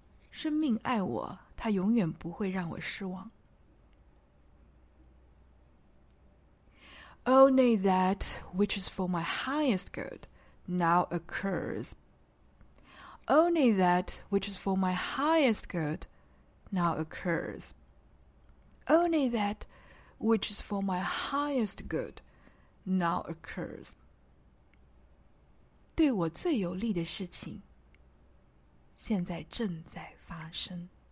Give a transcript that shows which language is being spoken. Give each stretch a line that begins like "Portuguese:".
Chinese: 生命爱我，它永远不会让我失望。
English: Only that which is for my highest good now occurs. Only that which is for my highest good now occurs. Only that which is for my highest good now occurs.
Chinese: 对我最有利的事情现在正在发生。